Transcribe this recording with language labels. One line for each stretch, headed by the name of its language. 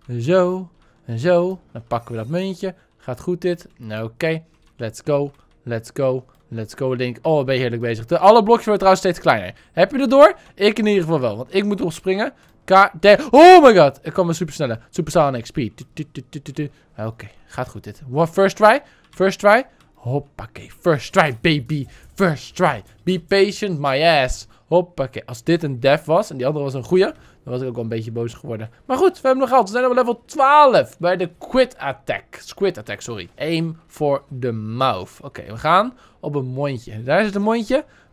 Dutch: Zo, en zo. Dan pakken we dat muntje. Gaat goed dit? Oké.
English: Let's go, let's go, Let's go,
Dutch: Link. Oh, ben je heerlijk bezig. Alle blokjes worden trouwens steeds kleiner. Heb je het door? Ik in ieder geval wel, want ik moet erop springen. Oh my god, ik kwam een supersnelle.
English: Supersonic speed.
Dutch: Oké, gaat goed dit.
English: First try? First try? Hoppakee, first try, baby. First try. Be patient, my ass.
Dutch: Hoppakee, als dit een dev was en die andere was een goeie, dan was ik ook wel een beetje boos geworden. Maar goed, we hebben nog geld. We zijn op level 12 bij de Squid Attack.
English: Aim for the mouth.
Dutch: Oké, we gaan op een mondje. Daar is het mondje.